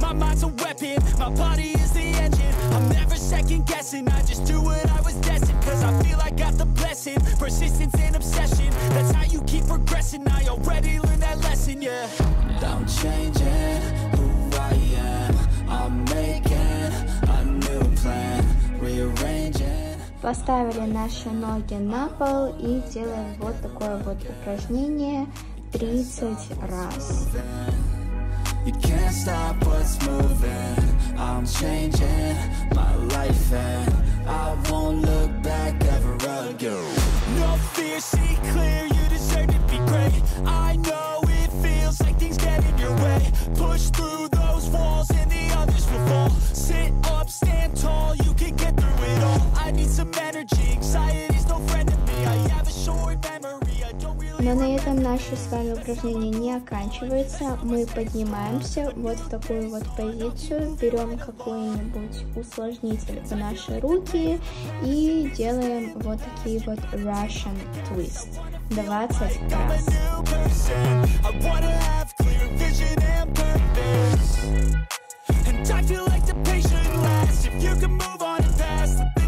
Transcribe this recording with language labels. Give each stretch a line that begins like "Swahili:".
English: My mind's a weapon, my body is the engine, I'm never second guessing, I just do what I was destined, cause I feel I got the blessing, persistence and obsession, that's how you keep progressing, I already learned that lesson, yeah. And I'm changing who I am, I'm making a new plan, rearranging.
Russian: Поставили наши ноги на пол и делаем вот такое вот упражнение 30 раз.
English: You can't stop what's moving, I'm changing my life and I won't look back ever again. No fear, see clear, you deserve to be great. I know it feels like things get in your way. Push through those walls and the others will fall. Sit up, stand tall, you can get through it all. I need some energy, anxiety's no friend of me. I have a short memory.
Russian: Но на этом наше с вами упражнение не оканчивается. Мы поднимаемся вот в такую вот позицию, берем какой-нибудь усложнитель в наши руки и делаем вот такие вот Russian twist 20 раз.